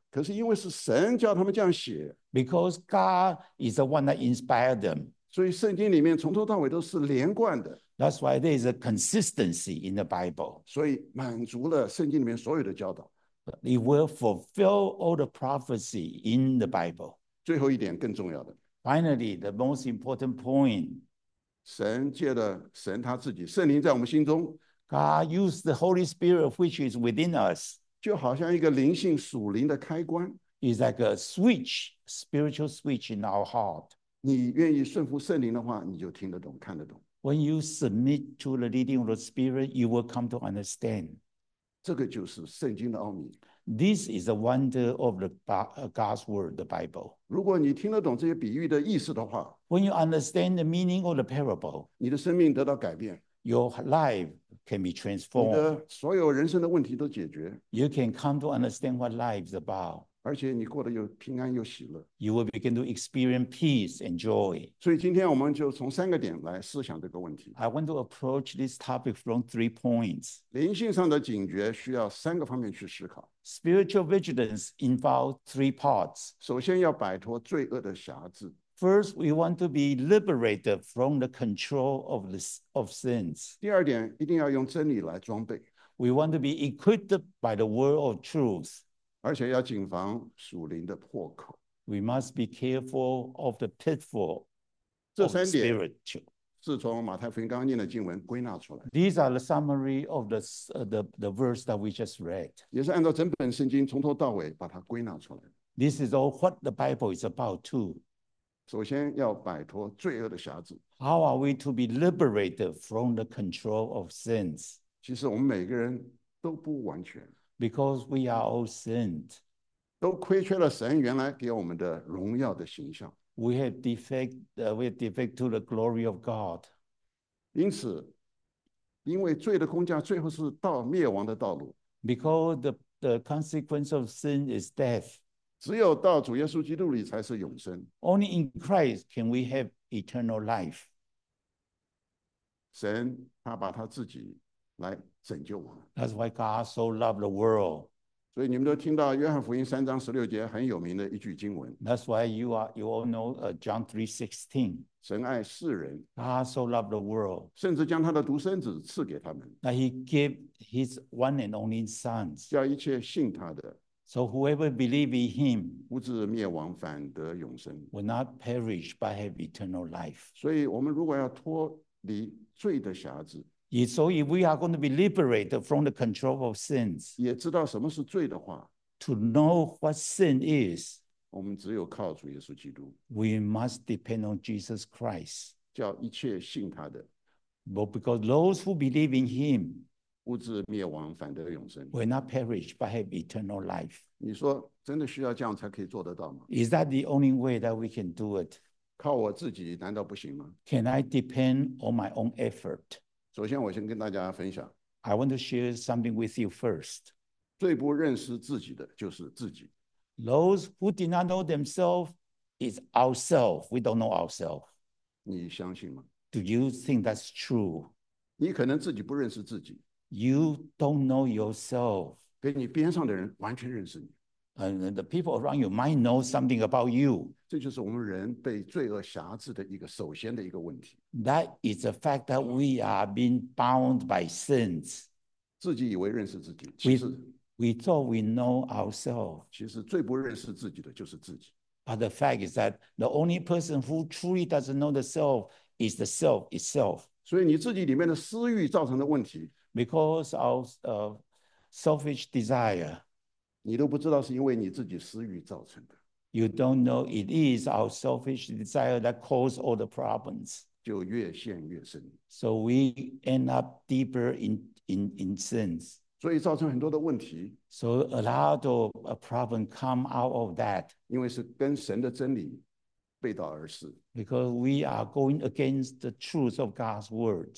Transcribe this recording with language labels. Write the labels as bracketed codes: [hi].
[zh] 可是因为是神叫他们这样写。 [en] Because God is the one that inspired them. [zh] 所以圣经里面从头到尾都是连贯的。 [en] That's why there is a consistency in the Bible. [zh] 所以满足了圣经里面所有的教导。 [en] It will fulfill all the prophecy in the Bible. [zh] 最后一点更重要的。 [en] Finally, the most important point. [zh] 神借着神他自己，圣灵在我们心中。 [en] God used the Holy Spirit which is within us. [zh] 就好像一个灵性属灵的开关。 [en] It's like a switch, spiritual switch in our heart. [zh] 你愿意顺服圣灵的话，你就听得懂，看得懂。 [en] When you submit to the leading of the Spirit, you will come to understand. [zh] 这个就是圣经的奥秘。 [en] This is the wonder of the God's word, the Bible. [zh] 如果你听得懂这些比喻的意思的话， [en] When you understand the meaning of the parable, [zh] 你的生命得到改变。 [en] Your life can be transformed. [zh] 你的所有人生的问题都解决。 [en] You can come to understand what life is about. [zh] 而且你过得又平安又喜乐。 [en] You will begin to experience peace and joy. [zh] 所以今天我们就从三个点来思想这个问题。 [en] I want to approach this topic from three points. [zh] 灵性上的警觉需要三个方面去思考。 [en] Spiritual vigilance involves three parts. [zh] 首先要摆脱罪恶的辖制。 [en] First, we want to be liberated from the control of sins. [zh] 第二点，一定要用真理来装备。 [en] We want to be equipped by the word of truth. [zh] 而且要谨防属灵的破口。 [en] We must be careful of the pitfall of spiritual. [zh] 是从马太福音刚刚念的经文归纳出来。 [en] These are the summary of the verse that we just read. [zh] 也是按照整本圣经从头到尾把它归纳出来。 [en] This is all what the Bible is about too. [zh] 首先要摆脱罪恶的辖制。 [en] How are we to be liberated from the control of sins? [zh] 其实我们每个人都不完全。 [en] Because we are all sinned. [zh] 都亏缺了神原来给我们的荣耀的形象。 [en] We have defect to the glory of God. [zh] 因此，因为罪的工价最后是到灭亡的道路。 [en] Because the consequence of sin is death. [zh] 只有到主耶稣基督里才是永生。 [en] Only in Christ can we have eternal life. [zh] 神他把他自己来拯救我们。 [en] That's why God so loved the world. [zh] 所以你们都听到约翰福音三章十六节很有名的一句经文。 [en] That's why you all know John 3:16. [zh] 神爱世人。 [en] God so loved the world. [zh] 甚至将他的独生子赐给他们。 [en] That he gave his one and only son. [zh] 叫一切信他的。 [en] So whoever believes in him [zh] 不至灭亡反得永生 [en] will not perish but have eternal life. [zh] 所以我们如果要脱离罪的辖制 [en] So if we are going to be liberated from the control of sins [zh] 也知道什么是罪的话 [en] To know what sin is [zh] 我们只有靠主耶稣基督 [en] We must depend on Jesus Christ [zh] 叫一切信他的 [en] But because those who believe in him [zh] 不至灭亡反得永生 [en] will not perish but have eternal life [zh] 你说真的需要这样才可以做得到吗 [en] is that the only way that we can do it [zh] 靠我自己难道不行吗 [en] can I depend on my own effort [zh] 首先我先跟大家分享 [en] I want to share something with you first [zh] 最不认识自己的就是自己 [en] those who did not know themselves is ourselves we don't know ourselves [zh] 你相信吗 [en] do you think that's true [zh] 你可能自己不认识自己 [en] You don't know yourself. [zh] 跟你边上的人完全认识你。 [en] And the people around you might know something about you. [zh] 这就是我们人被罪恶辖制的一个首先的一个问题。 [en] That is the fact that we are being bound by sins. [zh] 自己以为认识自己，其实 [en] we thought we know ourselves. [zh] 其实最不认识自己的就是自己。 [en] But the fact is that the only person who truly doesn't know the self is the self itself. [zh] 所以你自己里面的私欲造成的问题。 [en] Because of selfish desire. [zh] 你都不知道是因为你自己私欲造成的。 [en] You don't know it is our selfish desire that caused all the problems. [zh] 就越陷越深。 [en] So we end up deeper in sins. [zh] 所以造成很多的问题。 [en] So a lot of a problem come out of that. [zh] 因为是跟神的真理背道而驰。 [en] Because we are going against the truth of God's words.